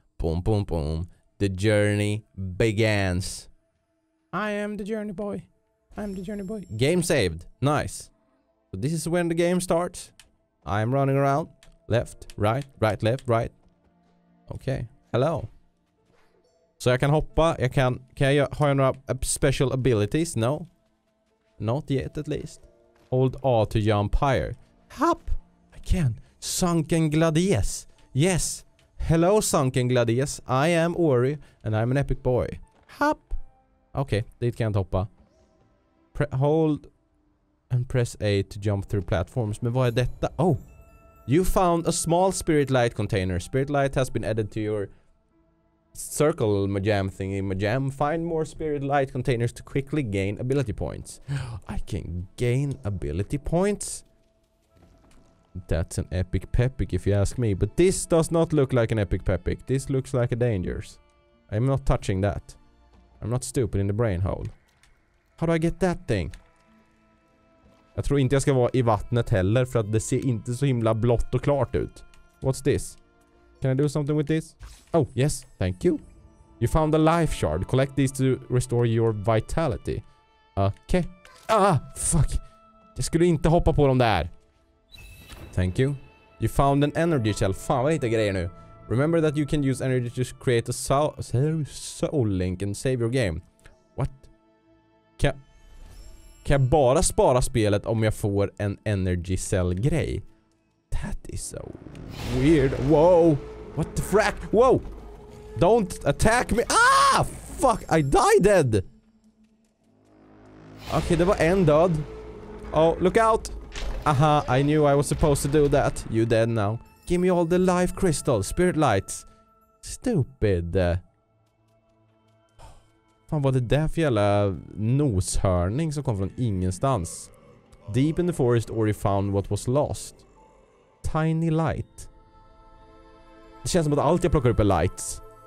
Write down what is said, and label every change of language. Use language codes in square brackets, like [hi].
[en] Boom, boom, boom. The journey begins. I am the journey boy. I am the journey boy. Game saved. Nice. So this is when the game starts. I'm running around. Left, right, right, left, right. Okay. Hello. [sv] Så jag kan hoppa, jag kan jag ha några special abilities? [en] No. Not yet at least. Hold A to jump higher. Hop! I can. Sunken Gladius. Yes. Hello Sunken Gladius. I am Ori and I'm an epic boy. Hop! [sv] Okej, okay, dit kan jag inte hoppa. [en] Hold and press A to jump through platforms. [sv] Men vad är detta? [en] Oh! You found a small spirit light container. Spirit light has been added to your circle majam thingy majam. Find more spirit light containers to quickly gain ability points. I can gain ability points? That's an epic peppic if you ask me. But this does not look like an epic peppic. This looks like a dangers. I'm not touching that. I'm not stupid in the brain hole. How do I get that thing? [sv] Jag tror inte jag ska vara i vattnet heller för att det ser inte så himla blått och klart ut. [en] What's this? Can I do something with this? Oh, yes. Thank you. You found a life shard. Collect these to restore your vitality. Okay. Ah, fuck. [sv] Jag skulle inte hoppa på dem där. [en] Thank you. You found an energy cell. [sv] Fan, vad lite grejer nu. [en] Remember that you can use energy to create a soul link and save your game. What? [sv] Kan jag bara spara spelet om jag får en energy cell grej? [en] That is so weird. Whoa. What the frack? Whoa. Don't attack me. Ah, fuck. I died dead. [sv] Okay, det var en död. [en] Oh, look out. Aha, I knew I was supposed to do that. You dead now. Give me all the life crystals, spirit lights. Stupid. [sv] Fan, var det där för jävla noshörning som kom från ingenstans? [en] Deep in the forest, Ori found what was lost. Tiny light. [sv] Det känns som att allt jag plockar upp är lights.